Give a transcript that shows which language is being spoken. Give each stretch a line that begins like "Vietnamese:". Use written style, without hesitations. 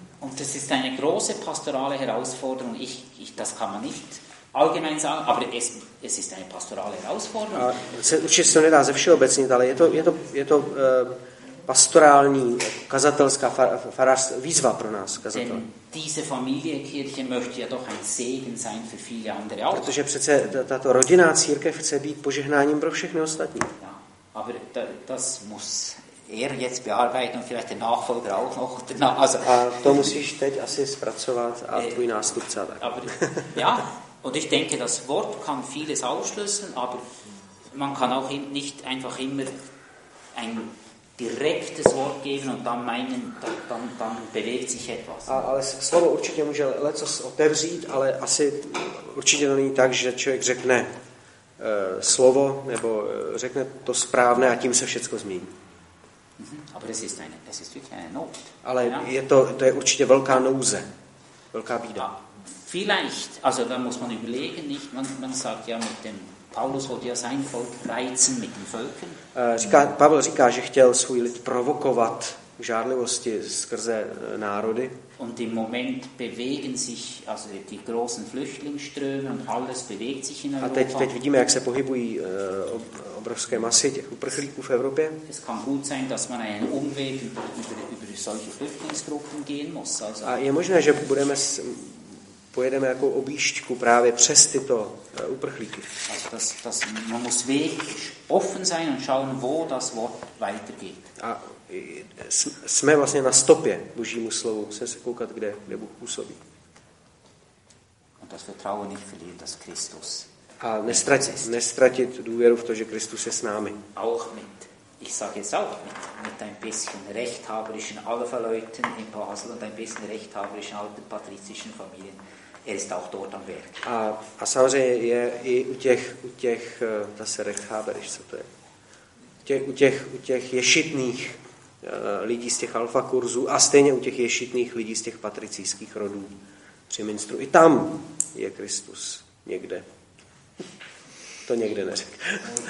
German: Und das ist eine große pastorale Herausforderung, ich das kann man nicht allgemein sagen, aber es ist eine pastorale Herausforderung.
Czech: Určitě se to nedá ze všeobecnit, ale je to pastorální kazatelská výzva pro nás kazatel.
German: Diese Familienkirche möchte ja doch ein Segen sein für viele andere.
Czech: Protože přece tato rodinná církev chce být požehnáním pro všechny ostatní.
German: Ja, aber das muss er jetzt bearbeiten und vielleicht der Nachfolger auch noch. Also,
Czech: a to musíš teď asi zpracovat a tvůj nástupce tak.
German: Aber, ja. Und ich denke, das Wort kann vieles ausschlüsseln, aber man kann auch nicht einfach immer ein direktes Wort geben und dann meinen, dann bewegt sich etwas.
Czech: Ale slovo určitě může lecos otevřít, ale asi určitě to není tak, že člověk řekne slovo, nebo řekne to správné a tím se všechno změní.
German: Aber es ist eine, es ist wirklich eine Not.
Czech: Ale to je určitě velká nouze, velká bída.
German: Vielleicht, also da muss man überlegen, nicht? Man sagt ja mit dem Paulus wollte ja sein Volk reizen mit den Völkern.
Czech: Pavel říká, že chtěl svůj lid provokovat k žárlivosti skrze národy.
German: Und im Moment bewegen sich also die großen Flüchtlingsströme und alles bewegt sich in Europa.
Czech: A teď vidíme, jak se pohybují obrovské masy těch uprchlíků v Evropě.
German: Es kann gut sein, dass man einen Umweg über solche Flüchtlingsgruppen gehen muss. Also,
Czech: a je možné, že budeme pojedeme jako objížďku právě přes tyto uprchlíky.
German: Man muss wirklich offen sein und schauen, wo das Wort weitergeht.
Czech: A jsme vlastně na stopě Božímu slovu, musíme se koukat, kde Bůh působí.
German: Und das Vertrauen nicht verlieren, dass Christus.
Czech: A nestratit důvěru v to, že Kristus je s námi.
German: Auch mit, ich sage jetzt auch mit ein bisschen rechthaberischen Alpha-Leuten in Basel und ein bisschen rechthaberischen alten patrizischen Familien. Er ist auch dort am Werk.
Czech: A samozřejmě je i u těch zase rechábereš, co to je. U těch ješitných lidí z těch alfa kurzů a stejně u těch ješitných lidí z těch patricijských rodů při minstru. I tam je Kristus někde. To někde neřek.